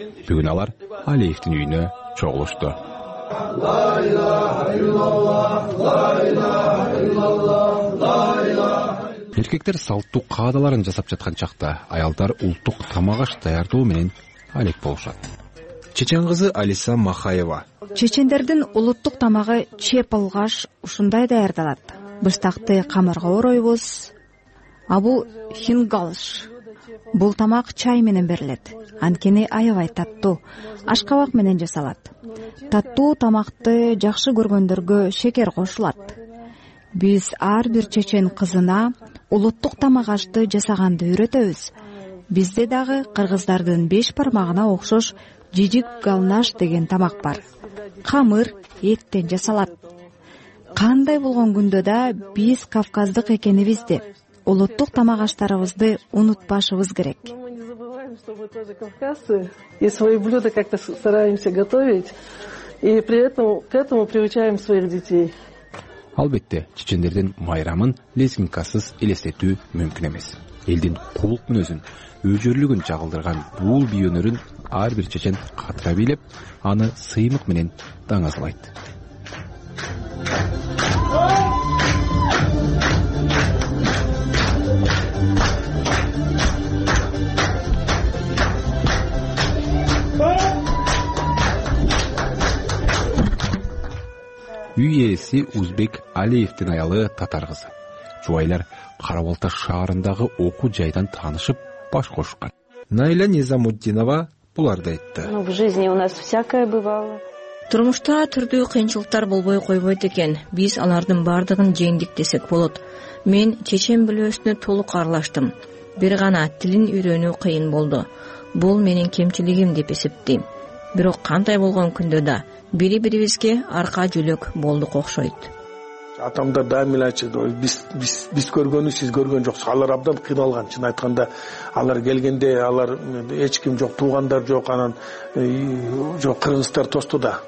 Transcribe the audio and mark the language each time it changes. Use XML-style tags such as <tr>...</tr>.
<ky>Бүгүн алар Алиевдин үйүнө чогулушту. Эркектер салттуу каадаларын жасап жаткан чакта, аялдар улуттук тамак аш даярдоо менен алек болушат. Чечен кызы Алиса Махаева. Чечендердин улуттук тамагы чеп алгаш ушундай даярдалат. Быштакты камырга оройбуз. А бул хингалыш. Бул тамак чай менен берилет. Анткени аябай таттуу. Ашкабак менен жасалат. Таттуу тамакты жакшы көргөндөргө шекер кошулат. Биз ар бир чечен кызына улуттук тамак ашты жасаганды үйрөтөбүз. Бизде дагы кыргыздардын беш бармагына окшош жижик галнаш деген тамак бар. Камыр эттен жасалат. Кандай болгон күндө да биз кавказдык экенибизди, улуттук тамак аштарыбызды унутпашыбыз керек.</ky> <ru>И свои блюда как-то стараемся готовить, и при этом к этому приучаем своих детей.</ru> <ky>Албетте, чечендердин майрамын лезгинкасыз элестетүү мүмкүн эмес. Элдин кулук мүнөзүн, өжөрлүгүн жагылдырган бул би өнөрүн ар бир чечен катыра билеп, аны сыймык менен даңазалайт. Үй ээси Узбек Алиевдин аялы татар кызы. Жубайлар Кара Балта шаарындагы окуу жайдан таанышып баш кошкан. Найла Низамутдинова буларды айтты.</ky> <ru>В жизни у нас всякое бывало.</ru> <ky>Турмушта түрдүү кыйынчылыктар болбой койбойт экен. Биз алардын бардыгын жеңдик десек болот. Мен чечен билөөсүнө толук аралаштым. Бир гана тилин үйрөнүү кыйын болду. Бул менин кемчилигим деп эсептейм. Бирок кандай болгон күндө да бири-бирибизге арка жүлөк болдук окшойт. Атамдар дайым эле айтышады, биз көргөнү сиз көргөн жоксуз. Алар абдан кыйналган. Чын айтканда алар келгенде алар эч ким жок, туугандар жок, анан жок кыргыздар тосту да.</ky>